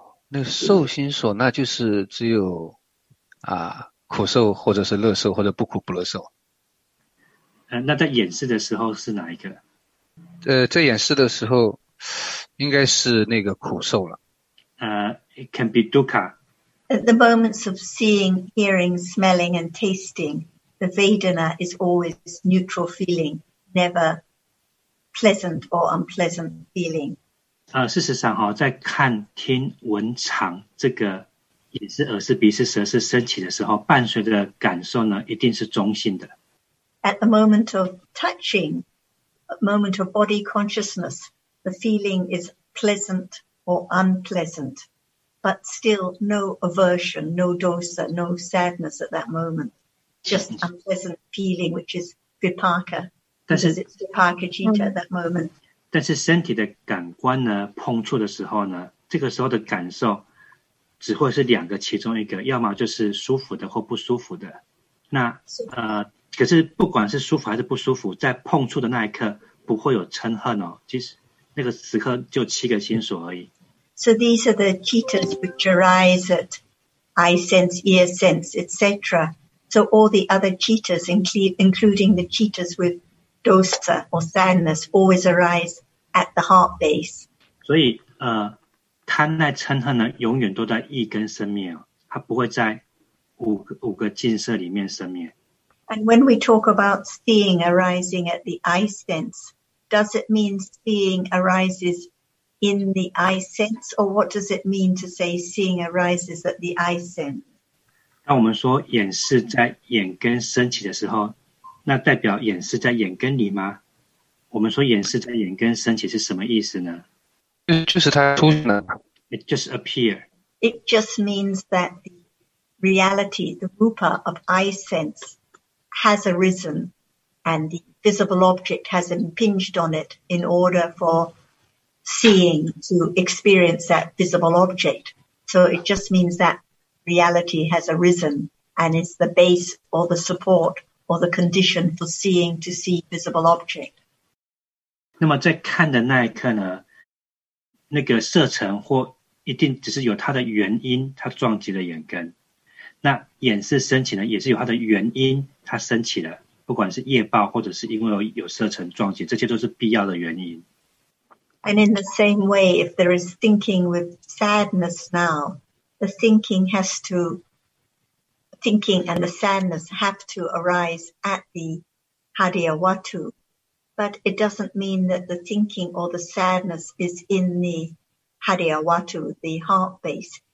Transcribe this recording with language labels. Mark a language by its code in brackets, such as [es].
[zh] 那受心所那就是只有苦受或者是乐受或者不苦不乐受。那在眼识的时候是哪一个？在眼识的时候应该是那个苦受了。 [en] It can be dukkha. At the moments of seeing, hearing, smelling, and tasting, the vedana is always neutral feeling, never pleasant or unpleasant feeling. [zh] 事实上，在看、听、闻、尝这个眼识、耳识、鼻识、舌识升起的时候，伴随着感受呢，一定是中性的。 [en] At the moment of touching, a moment of body consciousness,The feeling is pleasant or unpleasant, but still no aversion, no dosa, no sadness at that moment. Just unpleasant feeling, which is vipaka, because it's vipaka citta at that moment. [zh] 但是身体的感官呢，碰触的时候呢，这个时候的感受只会是两个其中一个，要么就是舒服的或不舒服的。那可是不管是舒服还是不舒服，在碰触的那一刻不会有嗔恨哦，其实那个时刻就七个心所而已。 [en] So these are the cittas which arise at eye sense, ear sense, etc. So all the other cittas, including the cittas with dosa or sadness, always arise at the heart base. [zh] 所以贪爱嗔恨呢，永远都在一根生灭，它不会在五个境色里面生灭。 [en] And when we talk about seeing arising at the eye sense, does it mean seeing arises in the eye sense, or what does it mean to say seeing arises at the eye sense? [zh] 当我们说眼识在眼根升起的时候，那代表眼识在眼根里吗？我们说眼识在眼根升起是什么意思呢？就是它出现了。 [en] It just appear. It just means that the reality, the rupa of eye sense,has arisen and the visible object has impinged on it in order for seeing to experience that visible object. So it just means that reality has arisen and is the base or the support or the condition for seeing to see visible object. [zh] 那么在看的那一刻呢，那个色尘或一定只是有它的原因，它撞击了眼根。那眼识升起呢，也是有它的原因，它升起了，不管是业报或者是因为有色尘撞击，这些都是必要的原因。 [en] And in the same way, if there is thinking with sadness now, the thinking and the sadness have to arise at the hadiyavatu. But it doesn't mean that the thinking or the sadness is in the hadiyavatu, the heart base.